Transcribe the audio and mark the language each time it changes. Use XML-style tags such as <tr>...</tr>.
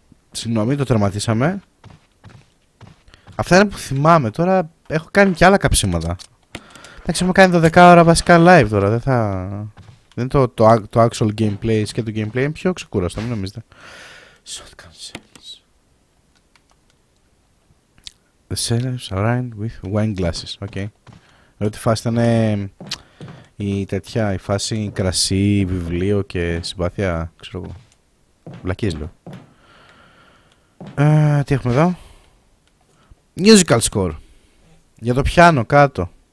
<el>Συγγνώμη, το τερματίσαμε. Αυτά είναι που θυμάμαι. Τώρα έχω κάνει και άλλα καψίματα. Εντάξει, έχουμε κάνει 12 ώρα βασικά live τώρα, δεν θα... Δεν το, το actual gameplay, και το gameplay είναι πιο ξεκούραστο, μην νομίζετε.</el> <en>Shotgun shells. The sailors arrived with wine glasses, okay.</en> <el>Ρωτή φάση ήταν η τέτοια, η φάση κρασί, βιβλίο και συμπάθεια, ξέρω εγώ. Βλακίες λέω. Τι έχουμε εδώ. Musical score. Για το πιάνο, κάτω.</el>